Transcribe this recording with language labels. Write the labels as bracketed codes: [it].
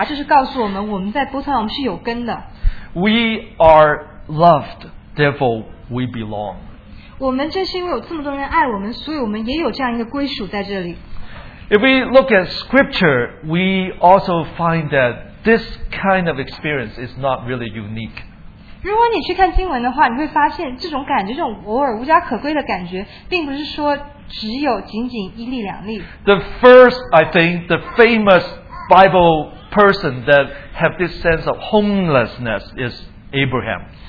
[zh] 这是一个多么大的表达，就是告诉我们，我们在波特兰，我们是有根的。 [en] We are loved, therefore we belong. [zh] 我们正是因为有这么多人爱我们，所以我们也有这样一个归属在这里。 [en] If we look at scripture, we also find that this kind of experience is not really unique. [zh] 如果你去看经文的话, 你会发现这种感觉, 这种偶尔无家可归的感觉并不是说只有仅仅一例两例。 [en] The first, I think, the famous Bible person that have this sense of homelessness is Abraham.